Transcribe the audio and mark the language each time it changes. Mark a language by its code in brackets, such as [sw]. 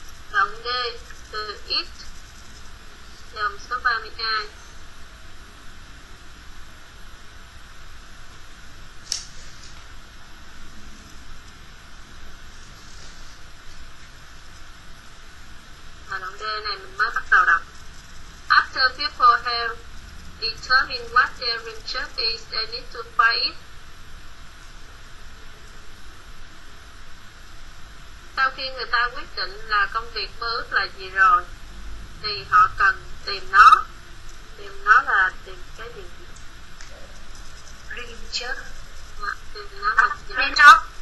[vi] Động D từ it dòng số 32 và động D này mình mới bắt đầu đọc. [en] After people have determined what their dream job is, they need to find it. [vi] Sau khi người ta quyết định là công việc mơ ước là gì rồi thì họ cần tìm nó là tìm cái gì? [en] Dream job. [vi] Tìm nó là [en] dream job.